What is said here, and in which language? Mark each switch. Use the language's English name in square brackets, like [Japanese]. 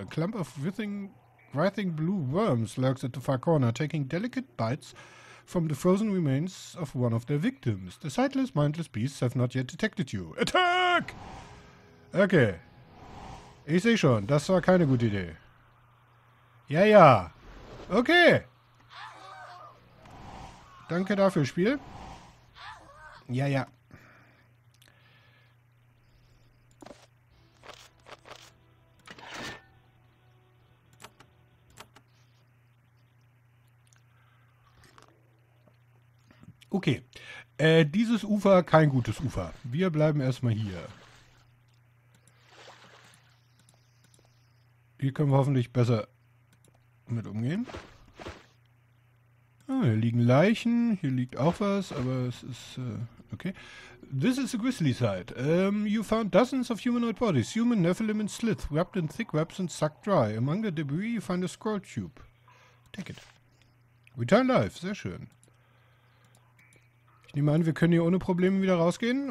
[English] A clump of writhing blue worms lurks at the far corner, taking delicate bites from the frozen remains of one of their victims. The sightless, mindless beasts have not yet detected you. Attack! Okay. [German] Ich sehe schon, das war keine gute Idee. Ja, ja. Okay. Danke dafür, Spiel. Ja, ja. Okay. Dieses Ufer, kein gutes Ufer. Wir bleiben erstmal hier. Hier können wir hoffentlich besser mit umgehen. Ah, hier liegen Leichen. Hier liegt auch was, aber es ist. Okay. [English] This is a grisly sight. You found dozens of humanoid bodies. Human, Nephilim and Slith, wrapped in thick wraps and sucked dry. Among the debris you find a scroll tube. Take it. Return life. [German] Sehr schön. Ich nehme an, wir können hier ohne Probleme wieder rausgehen.